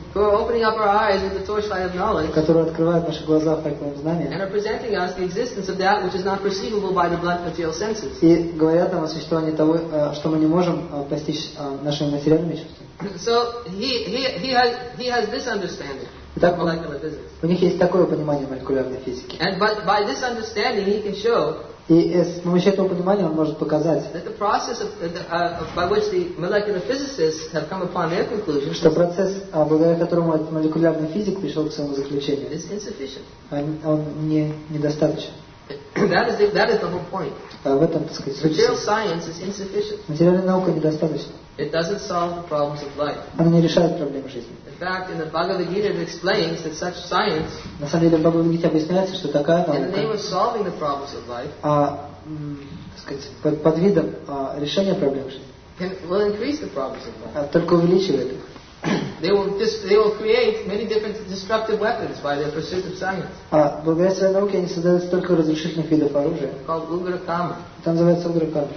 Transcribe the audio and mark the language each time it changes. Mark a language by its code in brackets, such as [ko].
[en] who are opening up our eyes with the torchlight of knowledge, [ru] которые открывают наши глаза факелом знания, [en] and are presenting us the existence of that which is not perceivable by the blunt material senses. [ru] И говорят нам о существовании того, что мы не можем постичь нашими материальными чувствами. [en] So he has this understanding. [ru] Итак, [en] molecular physics. [ru] У них есть такое понимание молекулярной физики. [en] And by this understanding he can show. [ru] И с помощью этого понимания он может показать, [en] that the process by which the molecular physicists have come upon their conclusion, [ru] что процесс, благодаря которому молекулярный физик пришел к своему заключению, [en] is insufficient. [ru] Он недостаточен. [en] That is the whole point. [ru] В этом, так сказать, [en] material science is insufficient. [ru] Материальная наука недостаточна. [en] It doesn't solve the problems of life. [ru] Она не решает проблемы жизни. [en] In fact, in the Bhagavad Gita, it explains that such science, [ru] на самом деле, в Бхагавад Гите объясняется, что такая наука, [en] in the name of solving the problems of life, [ru] так сказать, под видом решения проблем жизни, [en] will increase the problems of life. [ru] Только увеличивает их. [en] They will create many different destructive weapons by their pursuit of science. [ru] Благодаря своей науке они создают столько разрушительных видов оружия. [en] Called Ugra Kama. [ru] Это называется Ugra Kama.